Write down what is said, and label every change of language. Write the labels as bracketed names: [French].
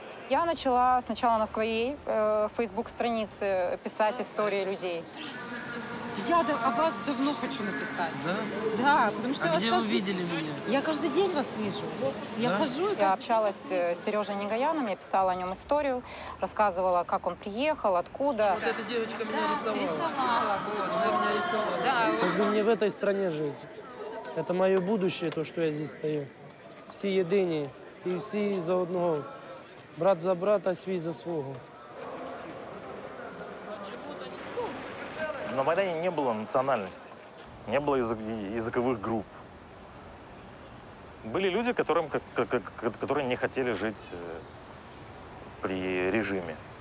[Ukrainian] Я почала спочатку на своїй фейсбук-страниці писати історії людей. Я о вас давно хочу написати. [Russian] Да? [Ukrainian] Да, тому що а я где вас ви бачили мене? Я кожен день вас бачу. Да? Я хожу і... Я спілкувалася з Сережей Негаяном, я писала о ньому історію, розказувала, як він приїхав, откуда. [Russian] Вот эта девочка меня рисовала. Рисовала, вот. Она меня рисовала. Да. Как бы мне в этой стране жить? Это мое будущее, то, что я здесь стою. [Ukrainian] Всі єдині і всі за одного. Брат за брата, свій за свого. На Майдані не було національності, не було язикових груп. Були люди, которым, которые не хотіли жити при режимі.